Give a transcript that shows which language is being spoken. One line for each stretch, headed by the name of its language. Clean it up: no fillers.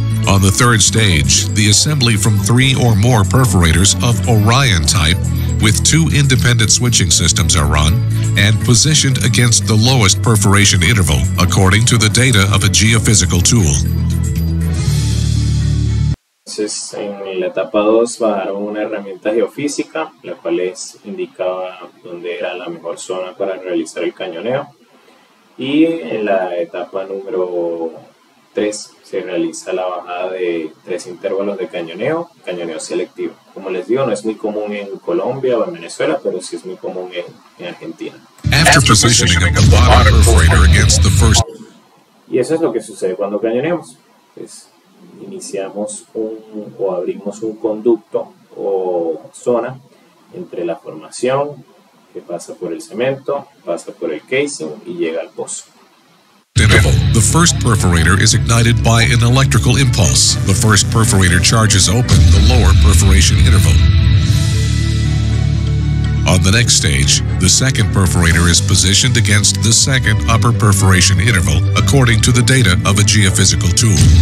English: On the third stage, the assembly from three or more perforators of Orion type with two independent switching systems are run and positioned against the lowest perforation interval according to the data of a geophysical tool.
Spanish: Entonces, en la etapa 2 bajaron una herramienta geofísica, la cual les indicaba dónde era la mejor zona para realizar el cañoneo. Y en la etapa número 3 se realiza la bajada de tres intervalos de cañoneo selectivo. Como les digo, no es muy común en Colombia o en Venezuela, pero sí es muy común en Argentina.
English: After positioning a bottom perforator against the first.
Spanish: Y eso es lo que sucede cuando cañoneamos. Pues iniciamos o abrimos un conducto o zona entre la formación que pasa por el cemento, pasa por el casing y llega al pozo.
English: The first perforator is ignited by an electrical impulse. The first perforator charges open the lower perforation interval. On the next stage, the second perforator is positioned against the second upper perforation interval according to the data of a geophysical tool.